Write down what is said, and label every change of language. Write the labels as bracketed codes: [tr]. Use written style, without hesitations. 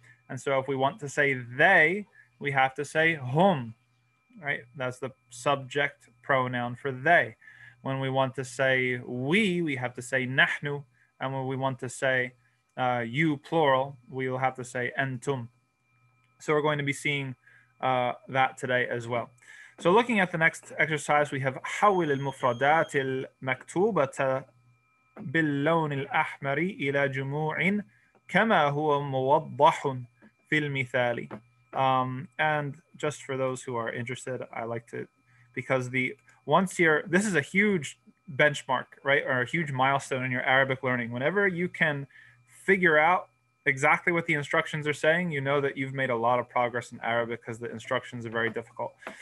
[en] And so if we want to say they, we have to say hum, right? That's the subject pronoun for they. When we want to say we have to say nahnu. And when we want to say you, plural, we will have to say entum. So we're going to be seeing that today as well. So looking at the next exercise, we have [ar] حول المفردات المكتوبة باللون الأحمر إلى جموع كما هو موضح في المثال. [en] And just for those who are interested, I like to, because the once you're, this is a huge benchmark, right? Or a huge milestone in your Arabic learning. Whenever you can figure out exactly what the instructions are saying, you know that you've made a lot of progress in Arabic, because the instructions are very difficult.